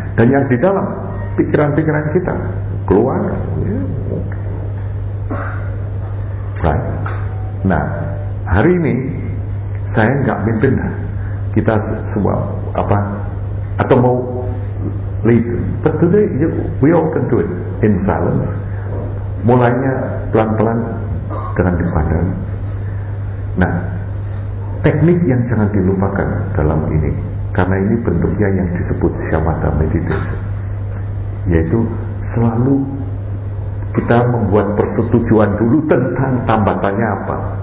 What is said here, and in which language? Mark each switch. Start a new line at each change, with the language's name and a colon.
Indonesian: Dan yang di dalam, pikiran-pikiran kita keluar.
English: Right.
Indonesian: Nah, hari ini saya enggak mimpin kita semua apa atau mau lead.
English: But today we all can do it in silence.
Indonesian: Mulainya pelan-pelan dengan dipandang. Nah, teknik yang jangan dilupakan dalam ini, karena ini bentuknya yang disebut shamatha meditation, yaitu selalu kita membuat persetujuan dulu tentang tambatannya apa.